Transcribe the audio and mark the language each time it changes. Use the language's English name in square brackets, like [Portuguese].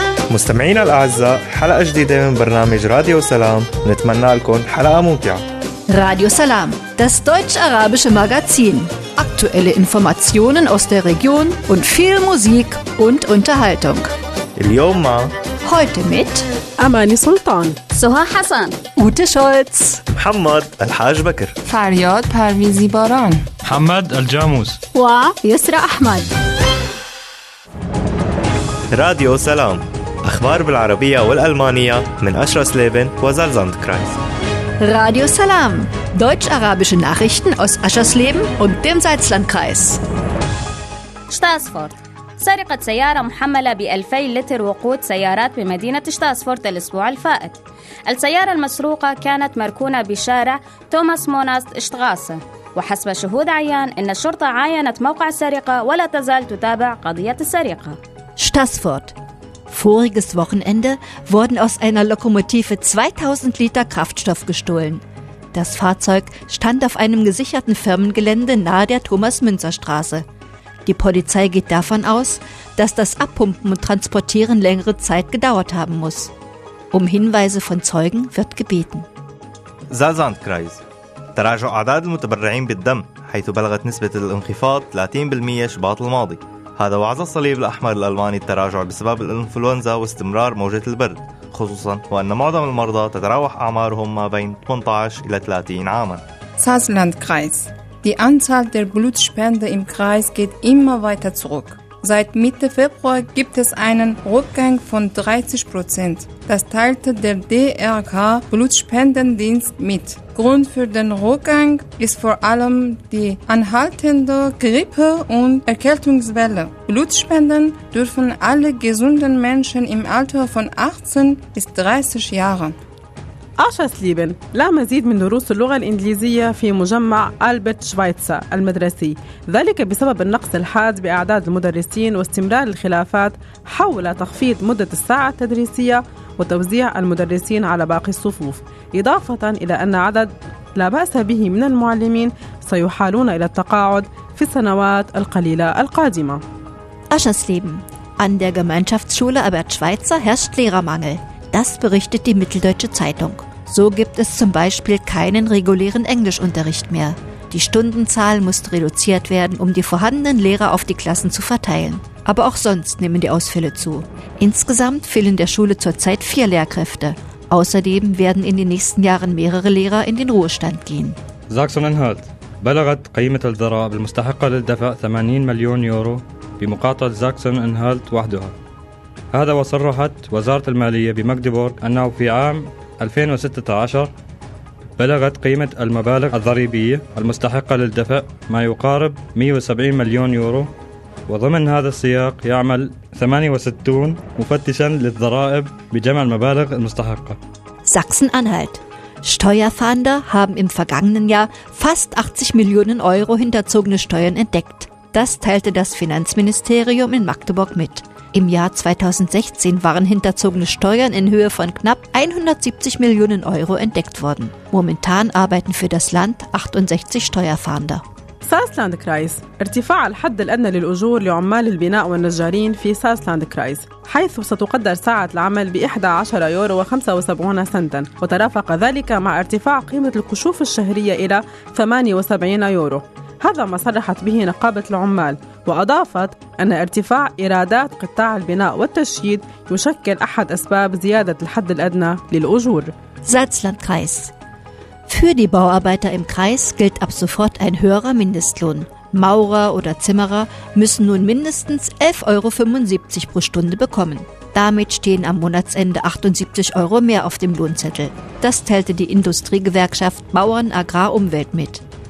[Arabic] مستمعينا الأعزاء، حلقة جديدة من برنامج راديو سلام، نتمنى لكم حلقة ممتعة. [German] راديو سلام، das deutsch-arabische Magazin. Aktuelle Informationen aus der Region und viel Musik und Unterhaltung. [Arabic] اليوم مع [German] heute mit [Arabic] أماني سلطان، سهى حسن، أوتي شولتز، محمد الحاج بكر، فرياد پرویزی باران، محمد الجاموس، و يسرى أحمد. راديو سلام، أخبار بالعربية والألمانية من أشرس ليبن وزلزاند كرايس. راديو سلام، deutsch-arabische Nachrichten aus Aschersleben und dem Salzlandkreis. شتاسفورد، سرقت سيارة محملة ب2000 لتر وقود سيارات بمدينة شتاسفورد الأسبوع الفائت. السيارة المسروقة كانت مركونة بشارع توماس موناست اشتغاسة، وحسب شهود عيان إن الشرطة عاينت موقع السرقة ولا تزال تتابع قضية السرقة. [German] Stassfurt. Voriges Wochenende wurden aus einer Lokomotive 2000 Liter Kraftstoff gestohlen. Das Fahrzeug stand auf einem gesicherten Firmengelände nahe der Thomas-Münzer-Straße. Die Polizei geht davon aus, dass das Abpumpen und Transportieren längere Zeit gedauert haben muss. Um Hinweise von Zeugen wird gebeten. Salzlandkreis. [Arabic] تراجع أعداد المتبرعين بالدم حيث بلغت نسبة الانخفاض 30% شباط الماضي. هذا وعز الصليب الأحمر الألماني التراجع بسبب الإنفلونزا واستمرار موجة البرد، خصوصاً وأن معظم المرضى تتراوح أعمارهم ما بين 18 إلى 30 عاماً. [German] Salzlandkreis. Die Anzahl der Blutspende im Kreis geht immer weiter zurück. Seit Mitte Februar gibt es einen Rückgang von 30%. Das teilte der DRK Blutspendendienst mit. Grund für den Rückgang ist vor allem die anhaltende Grippe- und Erkältungswelle. Blutspenden dürfen alle gesunden Menschen im Alter von 18 bis 30 Jahren. [Arabic] أشرسليبن، لا مزيد من دروس اللغة الإنجليزية في مجمع ألبرت شويتسر المدرسي، ذلك بسبب النقص الحاد بأعداد المدرسين واستمرار الخلافات حول تخفيض مدة الساعة التدريسية وتوزيع المدرسين على باقي الصفوف، إضافة إلى أن عدد لا بأس به من المعلمين سيحالون إلى التقاعد في السنوات القليلة القادمة. [German] أشرسليبن، an der Gemeinschaftsschule Albert Schweitzer herrscht Lehrermangel. Das berichtet die Mitteldeutsche Zeitung. So gibt es zum Beispiel keinen regulären Englischunterricht mehr. Die Stundenzahl muss reduziert werden, um die vorhandenen Lehrer auf die Klassen zu verteilen. Aber auch sonst nehmen die Ausfälle zu. Insgesamt fehlen der Schule zurzeit 4 Lehrkräfte. Außerdem werden in den nächsten Jahren mehrere Lehrer in den Ruhestand gehen. Sachsen-Anhalt. [Arabic] بلغت قيمة الضرائب المستحقة للدفع 80 مليون يورو بمقاطعة ساكسن-أنهالت وحدها. هذا وصرحت وزارة المالية بمكدبورغ أنه في عام 2016 بلغت قيمة المبالغ الضريبية المستحقة للدفع ما يقارب 170 مليون يورو، وضمن هذا السياق يعمل 68 مفتشاً للضرائب بجمع المبالغ المستحقة. [German] Sachsen-Anhalt. Steuerfahnder haben im vergangenen Jahr fast 80 Millionen Euro hinterzogene Steuern entdeckt. Das teilte das Finanzministerium in Magdeburg mit. Im Jahr 2016 waren hinterzogene Steuern in Höhe von knapp 170 Millionen Euro entdeckt worden. Momentan arbeiten für das Land 68 Steuerfahnder. Saarlandkreis. [Arabic] ارتفاع الحد الأدنى للأجور لعمال البناء والنجارين في Saarlandkreis، حيث ستقدر ساعة العمل ب 11 يورو و75 سنتا، وترافق ذلك مع ارتفاع قيمة الكشوف الشهرية إلى 78 يورو. هذا ما صرحت به نقابة العمال، وأضافت أن ارتفاع إيرادات قطاع البناء والتشييد يشكل أحد أسباب زيادة الحد الأدنى للأجور. [German] Salzlandkreis. Für die Bauarbeiter im Kreis gilt ab sofort ein höherer Mindestlohn. Maurer oder Zimmerer müssen nun mindestens 11,75 € pro Stunde bekommen. Damit stehen am Monatsende 78 Euro mehr auf dem Lohnzettel. Das teilte die Industriegewerkschaft Bauern Agrarumwelt mit.